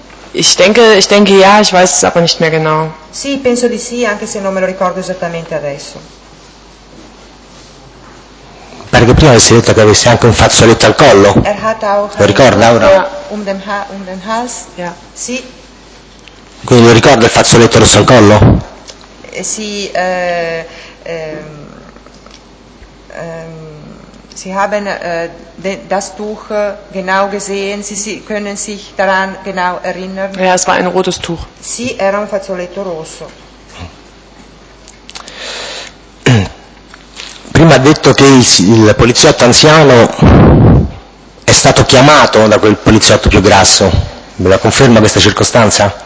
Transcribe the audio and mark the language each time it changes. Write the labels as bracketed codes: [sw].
[de] Ich denke ja, ich weiß es aber nicht mehr genau. [it] Sì, penso di sì, anche se non me lo ricordo esattamente adesso. Pare che prima avessi detto che avesse anche un fazzoletto al collo. Lo ricorda ora? Sì. Quindi lo ricorda il fazzoletto rosso al collo? Sì. [de] Sie haben das Tuch genau gesehen. Sie können sich daran genau erinnern. Ja, es war ein rotes Tuch. [it] Sì, era un fazzoletto rosso. ha detto che il poliziotto anziano è stato chiamato da quel poliziotto più grasso. Me la conferma questa circostanza?